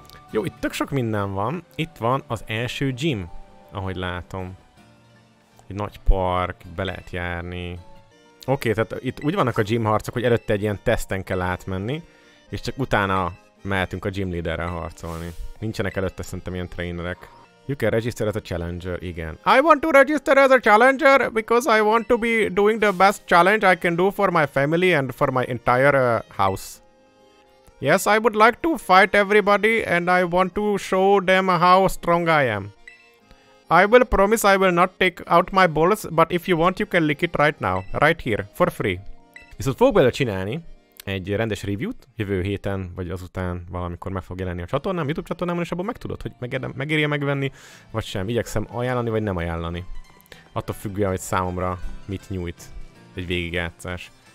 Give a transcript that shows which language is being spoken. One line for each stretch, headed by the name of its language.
Hungarian: Jó, itt tök sok minden van. Itt van az első gym, ahogy látom. Egy nagy park, be lehet járni. Oké, tehát itt úgy vannak a gym harcok, hogy előtte egy ilyen teszten kell átmenni, és csak utána mehetünk a gym leaderrel harcolni. Nincsenek előtte szerintem ilyen trainerek.
English: You can register as a challenger, igen. I want to register as a challenger because I want to be doing the best challenge I can do for my family and for my entire house. Yes, I would like to fight everybody and I want to show them how strong I am. I will promise I will not take out my balls, but if you want you can lick it right now, right here, for free.
Hungarian: Viszont fogok bele csinálni egy rendes review-t, jövő héten, vagy azután valamikor meg fog jelenni a csatornám, YouTube csatornámon, és abban megtudod, hogy megéri-e megvenni, vagy sem. Igyekszem ajánlani, vagy nem ajánlani. Attól függően, hogy számomra mit nyújt egy végigjátszás.